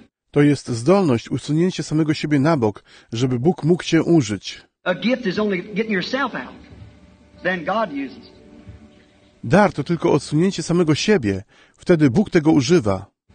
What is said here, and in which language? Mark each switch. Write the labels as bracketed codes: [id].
[pl] To jest zdolność usunięcia samego siebie na bok, żeby Bóg mógł Cię użyć. [en] A gift is only getting yourself out. Then God uses. [pl] Dar to tylko odsunięcie samego siebie. Wtedy Bóg tego używa.